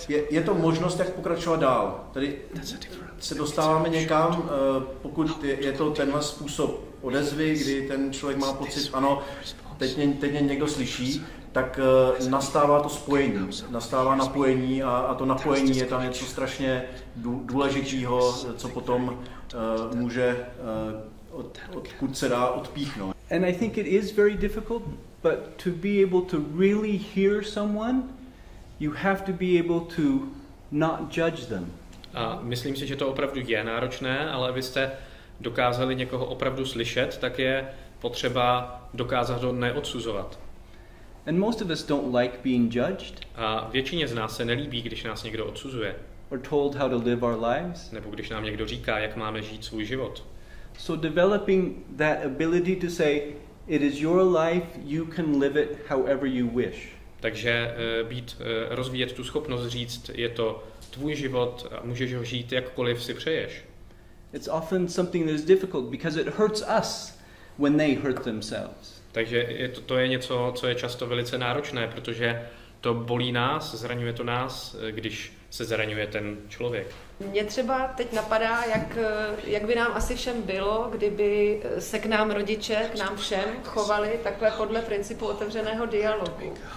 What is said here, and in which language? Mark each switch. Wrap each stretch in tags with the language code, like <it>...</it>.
<cs>Je to možnost, jak pokračovat dál. Tady se dostáváme někam, pokud je to tenhle způsob odezvy, kdy ten člověk má pocit, ano, teď mě někdo slyší, tak nastává to spojení, nastává napojení, a to napojení je tam něco strašně důležitého, co potom může odkud se dá odpíchnout.</cs> <en>And I think it is very difficult, but to be able to really hear someone, you have to be able to not judge them.</en> <cs>A myslím si, že to opravdu je náročné, ale abyste dokázali někoho opravdu slyšet, tak je potřeba dokázat ho neodsuzovat.</cs> <en>And most of us don't like being judged.</en> <cs>A většině z nás se nelíbí, když nás někdo odsuzuje.</cs> <en>Or told how to live our lives.</en> <cs>Nebo když nám někdo říká, jak máme žít svůj život.</cs> <en>So developing that ability to say it is your life, you can live it however you wish.</en> <cs>Takže rozvíjet tu schopnost říct, je to tvůj život a můžeš ho žít jakkoliv si přeješ.</cs> <en>It's often something that is difficult because it hurts us when they hurt themselves.</en> <cs>Takže to je něco, co je často velice náročné, protože to bolí nás, zraňuje to nás, když se zraňuje ten člověk. Mně třeba teď napadá, jak by nám asi všem bylo, kdyby se k nám rodiče, k nám všem chovali takhle podle principu otevřeného dialogu.</cs>